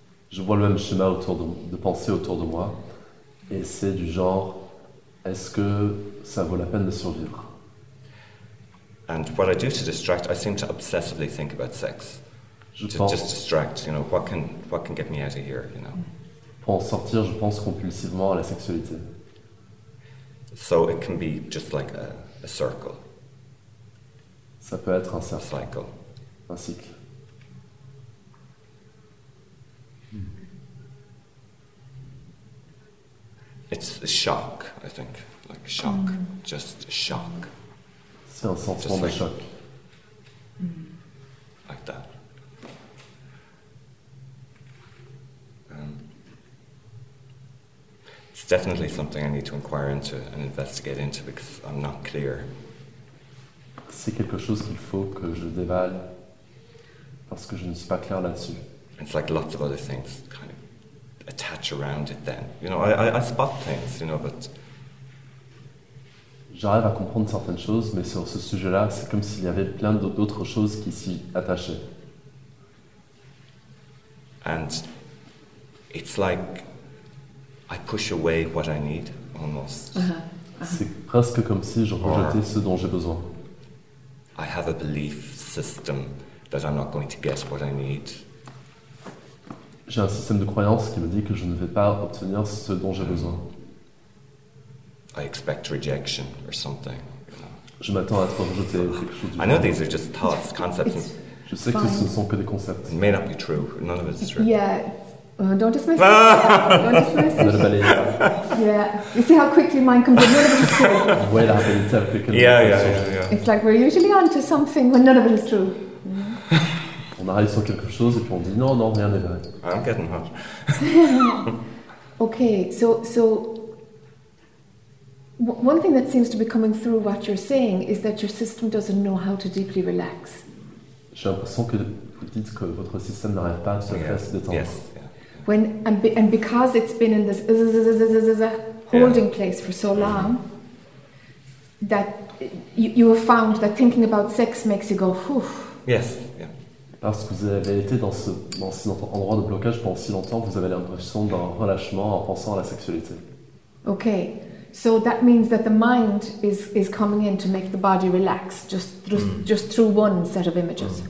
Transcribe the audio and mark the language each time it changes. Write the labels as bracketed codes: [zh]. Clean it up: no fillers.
[fr] Je vois le même schéma de pensée autour de moi, et c'est du genre, est-ce que ça vaut la peine de survivre? [en] And what I do to distract, I seem to obsessively think about sex. Just distract, you know, what can get me out of here, you know? [fr] Pour en sortir, je pense compulsivement à la sexualité. [en] So it can be just like a circle. [fr] Ça peut être un cercle. [en] A cycle. [fr] Un cycle. [en] It's a shock, I think. Like shock. Mm. Just shock. [fr] C'est un sentiment [en] just [fr] de [en] like, [fr] choc. [en] Like that. It's definitely something I need to inquire into and investigate into because I'm not clear. [fr] C'est quelque chose qu'il faut que je dévale parce que je ne suis pas clair là-dessus. [en] It's like lots of other things kind of attach around it then. You know, I spot things, you know, but... [fr] J'arrive à comprendre certaines choses, mais sur ce sujet-là, c'est comme s'il y avait plein d'autres choses qui s'y attachaient. [en] And it's like I push away what I need, almost. [fr] C'est presque comme si je rejetais ce dont j'ai besoin. [en] I have a belief system that I'm not going to get what I need. [fr] J'ai un système de croyance qui me dit que je ne vais pas obtenir ce dont j'ai besoin. [en] I expect rejection or something. [fr] Je m'attends à être rejeté. [en] I know these are just thoughts, concepts. It's [fr] je sais [en] fine. [fr] Que ce ne sont que des concepts. [en] It may not be true. None of it is true. Yeah, don't dismiss it. Don't dismiss it. Yeah, you see how quickly mine comes in. None of it is true. Well, I've been telling people. Yeah. It's like we're usually onto something when none of it is true. [fr] On arrive sur quelque chose et puis on dit non, rien n'est vrai. [en] I'm getting hot. Okay, so. One thing that seems to be coming through what you're saying is that your system doesn't know how to deeply relax. [fr] J'ai l'impression que vous dites que votre système n'arrive pas à se faire se détendre. [en] Yes. When and because it's been in this holding place for so long, that you have found that thinking about sex makes you go whew. Yes. [fr] Parce que vous avez été dans cet endroit de blocage pendant si longtemps, vous avez l'impression d'un relâchement en pensant à la sexualité. [en] Okay. So that means that the mind is coming in to make the body relax just through one set of images.